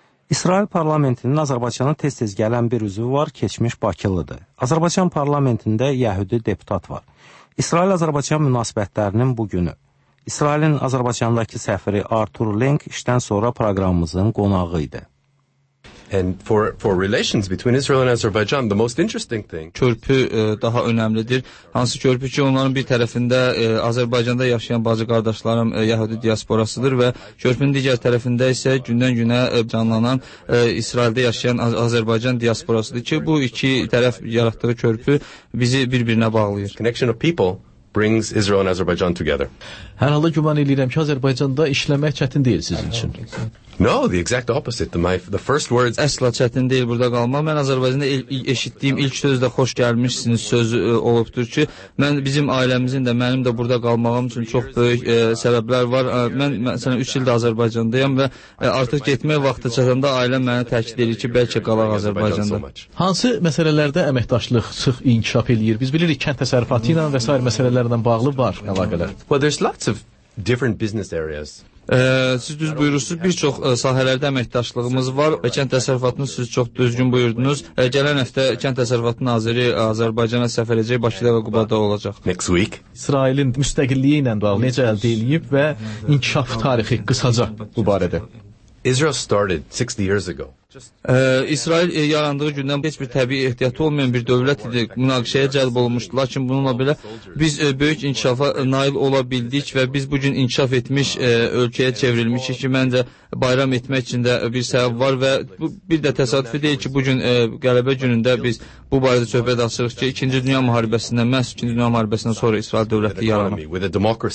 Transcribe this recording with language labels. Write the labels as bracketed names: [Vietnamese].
[Azerbaijani] İsrail parlamentinin Azərbaycana tez-tez gələn bir üzvü var, keçmiş bakılıdır. Azərbaycan parlamentində yəhudi deputat var. İsrail-Azərbaycan münasibətlərinin bugünü. İsrailin Azərbaycandakı səfiri Artur Lenk işdən sonra proqramımızın qonağı idi. [English] And for relations between Israel and Azerbaijan, the most interesting thing. [Azerbaijani] Körpü daha önəmlidir. Hansı körpü ki, onların bir tərəfində Azərbaycanda yaşayan bacı qardaşlarım Yahudi diasporasıdır və körpünün digər tərəfində isə gündən günə canlanan İsraildə yaşayan Azərbaycan diasporasıdır ki, bu iki tərəf yaratdığı körpü bizi bir-birinə bağlayır. [English] Connection of people brings Israel and Azerbaijan together. [Azerbaijani] Hər halda güman edirəm ki, Azərbaycanda işləmək çətin deyil sizin üçün. [English] No, the exact opposite. The first words. [Azerbaijani] Əsla çətin deyil burada qalma. Mən Azərbaycanda eşitdiyim ilk söz də xoş gəlmişsiniz sözü olubdur ki, mən bizim ailəmizin də mənim də burada qalmağım üçün çox böyük səbəblər var. Mən məsələn 3 ildir Azərbaycandayam və artıq getmək vaxtı çatanda ailəm mənə təkid edir ki, bəlkə qalaq Azərbaycanda. Hansı məsələlərdə əməkdaşlıq sıx inkişaf eləyir? Biz bilirik kənd təsərrüfatı ilə və s. məsələlərlə bağlı var əlaqələr. [English] Well, there's lots of different business areas. [Azerbaijani] Siz düz buyurursunuz, bir çox sahələrdə əməkdaşlığımız var və kənd təsərrüfatını siz çox düzgün buyurdunuz. Gələn həftə kənd təsərrüfatı naziri Azərbaycana səfər edəcək, Bakıda və Qubada olacaq. [English] Next week. [Azerbaijani] İsrailin müstəqilliyi ilə bağlı necə əldə eləyib və inkişaf tarixi qısaca bu barədə. [English] Israel started 60 years ago. [Azerbaijani] İsrail yarandığı gündən heç bir təbii ehtiyatı olmayan bir dövlət idi. Münaqişəyə cəlb olunmuşdu. Lakin bununla belə biz böyük inkişafa nail ola bildik və biz bugün inkişaf etmiş ölkəyə çevrilmişik ki, məncə bayram etmək üçün də bir səbəb var və bu bir də təsadüfi deyil ki, bugün qələbə günündə biz bu barədə söhbət açırıq ki, 2-ci Dünya Müharibəsindən, məhz 2-ci Dünya Müharibəsindən sonra İsrail dövləti